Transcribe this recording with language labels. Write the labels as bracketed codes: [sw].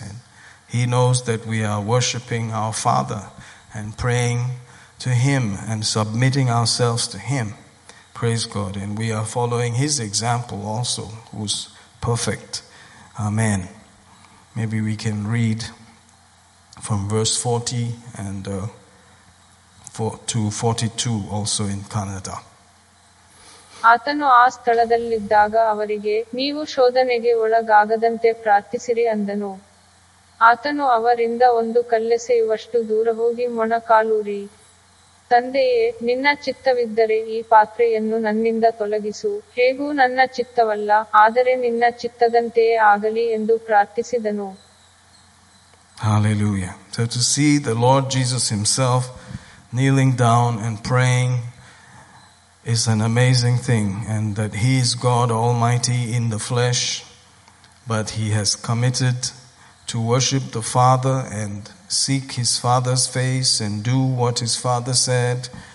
[en] And he knows that we are worshipping our Father and praying to him and submitting ourselves to him. Praise God. And we are following his example also, who's perfect. Amen. Maybe we can read from verse 40 and to 42 also in Kannada. [kn] ಆತನು ಆ ಸ್ಥಳದಲ್ಲಿದ್ದಾಗ ಅವರಿಗೆ ನೀವು ಶೋಧನೆಗೆ ಒಳಗಾಗದಂತೆ ಪ್ರಾರ್ಥಿಸಿರಿ ಅಂದನು. ಆತನು ಅವರಿಂದ ಒಂದು ಕಲ್ಲೆಸೆಯುವಷ್ಟು ದೂರ ಹೋಗಿ ಮೊಣಕಾಲೂರಿ, ತಂದೆಯೇ, ನಿನ್ನ ಚಿತ್ತವಿದ್ದರೆ ಈ ಪಾತ್ರೆಯನ್ನು ನನ್ನಿಂದ ತೊಲಗಿಸು, ಹೇಗೂ ನನ್ನ ಚಿತ್ತವಲ್ಲ ಆದರೆ ನಿನ್ನ ಚಿತ್ತದಂತೆಯೇ ಆಗಲಿ ಎಂದು ಪ್ರಾರ್ಥಿಸಿದನು. [en] Hallelujah. So to see the Lord Jesus himself kneeling down and praying is an amazing thing. And that he is God Almighty in the flesh, but he has committed to worship the Father and seek his Father's face and do what his Father said.